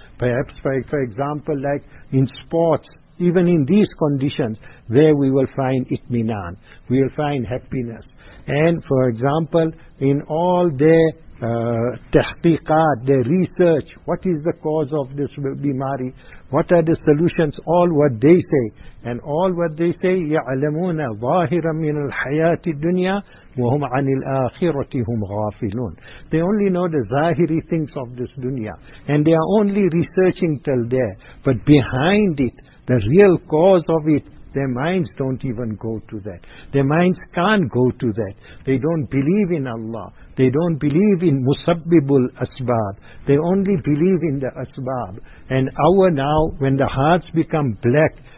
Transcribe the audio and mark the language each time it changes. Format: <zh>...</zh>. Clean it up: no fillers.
<en>Perhaps, for example, like in sports, even in these conditions, there we will find itminan. We will find happiness. And, for example, in all their tahqiqat, their research, what is the cause of this bimari? What are the solutions? All what they say. And all what they say,</en> <ar>يَعْلَمُونَ ظَاهِرًا مِنَ الْحَيَاةِ الدُّنْيَا وَهُمْ عَنِ الْآخِرَةِ هُمْ غَافِلُونَ.</ar> <en>They only know the zahiri things of this dunya. And they are only researching till there. But behind it, the real cause of it, their minds don't even go to that. Their minds can't go to that. They don't believe in Allah. They don't believe in Musabbibul Asbab. They only believe in the Asbab. And our now, when the hearts become black</en>